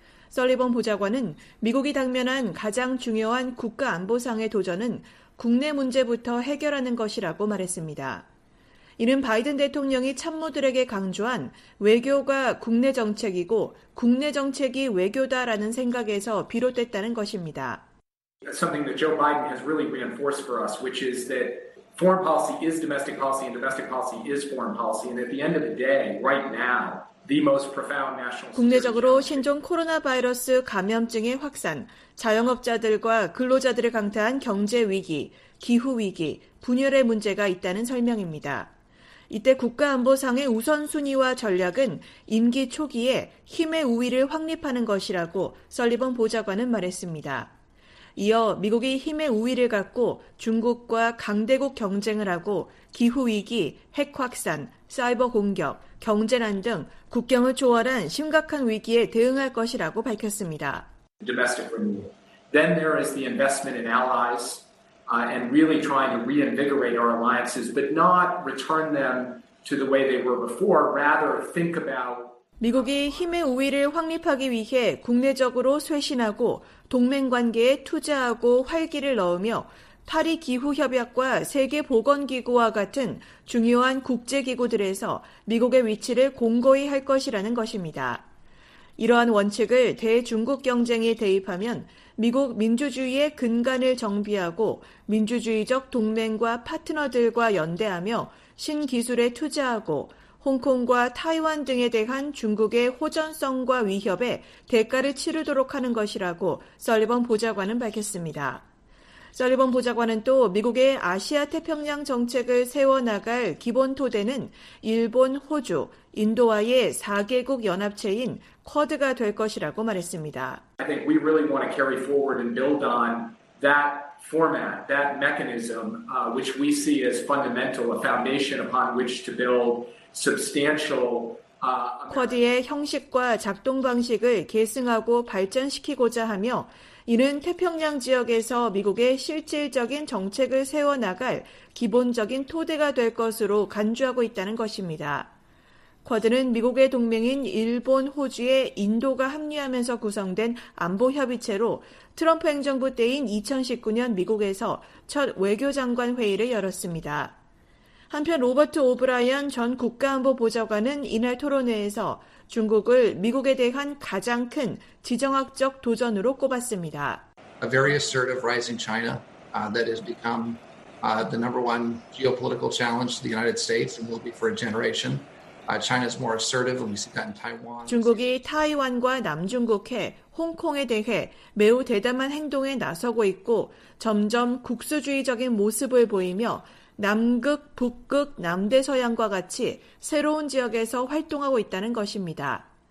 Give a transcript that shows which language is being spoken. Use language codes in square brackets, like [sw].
[ko] 설리번 보좌관은 미국이 당면한 가장 중요한 국가안보상의 도전은 국내 문제부터 해결하는 것이라고 말했습니다. 이는 바이든 대통령이 참모들에게 강조한 외교가 국내 정책이고 국내 정책이 외교다라는 생각에서 비롯됐다는 것입니다. [en] That's something that Joe Biden has really reinforced for us, which is that foreign policy is domestic policy and domestic policy is foreign policy. And at the end of the day, right now, the most profound national [ko] 국내적으로 신종 코로나 바이러스 감염증의 확산, 자영업자들과 근로자들을 강타한 경제 위기, 기후 위기, 분열의 문제가 있다는 설명입니다. 이때 국가안보상의 우선순위와 전략은 임기 초기에 힘의 우위를 확립하는 것이라고 설리번 보좌관은 말했습니다. 이어 미국이 힘의 우위를 갖고 중국과 강대국 경쟁을 하고 기후위기, 핵확산, 사이버 공격, 경제난 등 국경을 초월한 심각한 위기에 대응할 것이라고 밝혔습니다. [en] Domestic renewal. Then there is the investment in allies. And really trying to reinvigorate our alliances, but not return them to the way they were before. Rather, think about [ko] 미국이 힘의 우위를 확립하기 위해 국내적으로 쇄신하고 동맹 관계에 투자하고 활기를 넣으며 파리 기후 협약과 세계 보건 기구와 같은 중요한 국제 기구들에서 미국의 위치를 공고히 할 것이라는 것입니다. 이러한 원칙을 대중국 경쟁에 대입하면 미국 민주주의의 근간을 정비하고 민주주의적 동맹과 파트너들과 연대하며 신기술에 투자하고 홍콩과 타이완 등에 대한 중국의 호전성과 위협에 대가를 치르도록 하는 것이라고 설리번 보좌관은 밝혔습니다. 설리번 보좌관은 또 미국의 아시아 태평양 정책을 세워나갈 기본 토대는 일본, 호주, 인도와의 4개국 연합체인 쿼드가 될 것이라고 말했습니다. [en] I think we really want to carry forward and build on that format, that mechanism, which we see as fundamental, a foundation upon which to build substantial [ko] 쿼드의 형식과 작동 방식을 계승하고 발전시키고자 하며 이는 태평양 지역에서 미국의 실질적인 정책을 세워나갈 기본적인 토대가 될 것으로 간주하고 있다는 것입니다. 쿼드는 미국의 동맹인 일본, 호주에 인도가 합류하면서 구성된 안보협의체로 트럼프 행정부 때인 2019년 미국에서 첫 외교장관 회의를 열었습니다. 한편 로버트 오브라이언 전 국가안보보좌관은 이날 토론회에서 중국을 미국에 대한 가장 큰 지정학적 도전으로 꼽았습니다. [en] A very assertive rising China that has become the number one geopolitical challenge to the United States and will be for a generation. China is more assertive when we see that in Taiwan. [ko] 중국이 타이완과 남중국해, 홍콩에 대해 매우 대담한 행동에 나서고 있고 점점 국수주의적인 모습을 보이며 남극, 북극, 남대서양과 같이 새로운 지역에서 활동하고 있다는 것입니다.